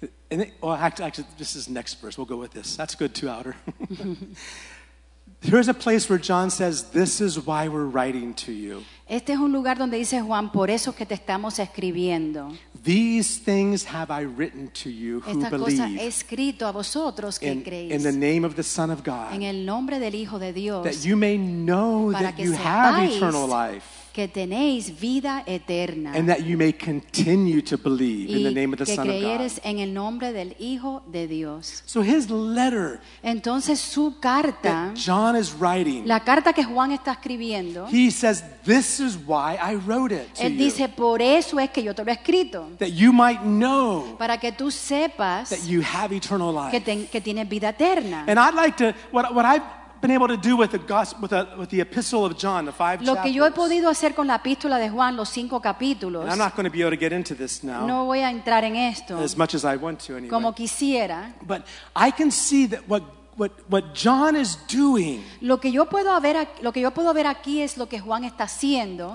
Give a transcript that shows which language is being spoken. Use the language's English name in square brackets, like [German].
[English] And it, well, actually, this is the next verse. We'll go with this. That's good, too, Outer. Here's a place where John says, this is why we're writing to you. [Spanish] Este es un lugar donde dice Juan, por eso es que te estamos escribiendo. [English] These things have I written to you who [Spanish] Esta cosa [English] believe [Spanish] he escrito a vosotros que creéis. [English] In the name of the Son of God. [Spanish] En el nombre del Hijo de Dios. [English] That you may know that you have eternal life. [Spanish] Que tenéis vida eterna. [English] And that you may continue to believe in the name of the Son of God. [Spanish] Y que creeres en el nombre del Hijo de Dios. [English] So his letter. [Spanish] Entonces su carta. [English] That John is writing. [Spanish] La carta que Juan está escribiendo. [English] He says, this is why I wrote it to [Spanish] él dice, [English] you. [Spanish] Por eso es que yo te lo he escrito. [English] That you might know. [Spanish] Para que tú sepas. [English] That you have eternal life. [Spanish] Que tienes vida eterna. [English] And I'd like to, what I've been able to do with the gospel, with the epistle of John, the five [Spanish] lo [English] chapters. [Spanish] Lo que yo he podido hacer con la epístola de Juan, los cinco capítulos. [English] And I'm not going to be able to get into this now. [Spanish] No voy a entrar en esto. [English] As much as I want to, anyway. [Spanish] Como quisiera. [English] But I can see that what John is doing. [Spanish] Lo que yo puedo ver aquí es lo que Juan está haciendo.